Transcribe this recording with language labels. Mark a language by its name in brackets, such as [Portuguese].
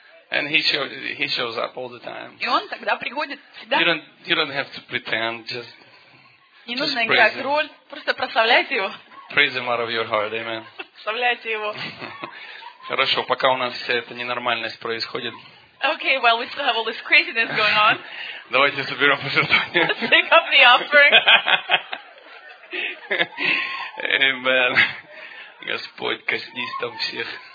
[English] And he shows up all the time. [Russian] И он тогда приходит всегда. [English] You don't have to pretend, just... [Russian] Не нужно играть роль, просто прославляйте его. [English] Praise him out of your heart, amen. [Russian] Прославляйте его. Хорошо, пока у нас вся эта ненормальность происходит. [English] Okay, while we still have all this craziness going on. [Russian] Давайте соберем пожертвования. [English] Let's take up the offering. Amen. [Russian] Господь, коснись там всех.